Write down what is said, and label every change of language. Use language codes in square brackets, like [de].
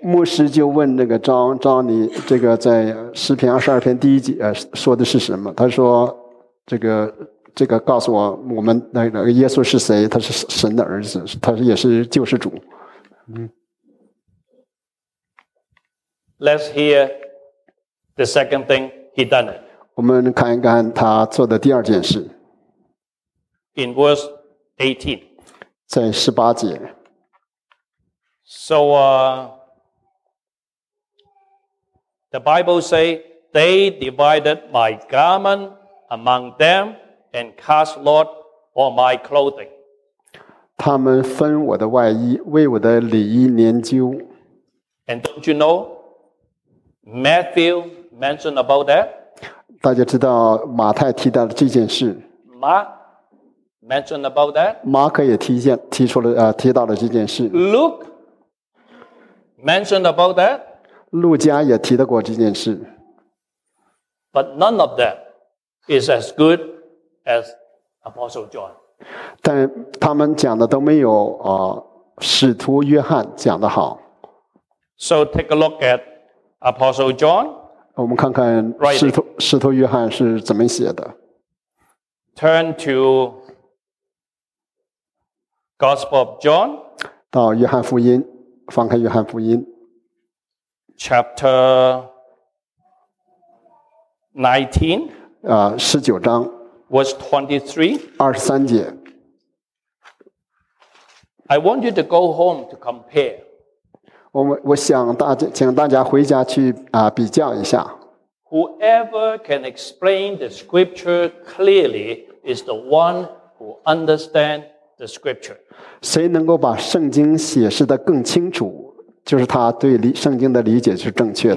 [zh] 牧师就问那个张你这个在诗篇二十二篇第一节说的是什么？他说这个告诉我们那个耶稣是谁？他是神的儿子，他也是救世主。嗯。 [en] Let's hear the second thing he done it. [zh] 我们看一看他做的第二件事。 [en] In verse 18. [zh] 在十八节。 [en] So, the Bible say they divided my garment among them and cast lot for my clothing. [zh] 他们分我的外衣，为我的里衣研究。 [en] And don't you know, Matthew mentioned about that? [zh] 大家知道马太提到了这件事。 [en] Mentioned about that. [zh] 马可也提到了这件事。 [en] Luke mentioned about that. [zh] 路加也提到过这件事。 [en] But none of them is as good as Apostle John. [zh] 但他们讲的都没有使徒约翰讲的好。 [en] So take a look at Apostle John. [zh] 我们看看使徒约翰是怎么写的。 [en] Turn to Gospel of John, [zh] 到约翰福音，翻开约翰福音 [en] ，Chapter 19, [zh] 十九章 [en] ，Verse 23, [zh] 二十三节。 [en] I want you to go home to compare. [zh] 我想大家，请大家回家去比较一下。 [en] Whoever can explain the scripture clearly is the one who understand. The scripture. [zh] 谁能够把圣经解释的更清楚，就是他对圣经的理解是正确的。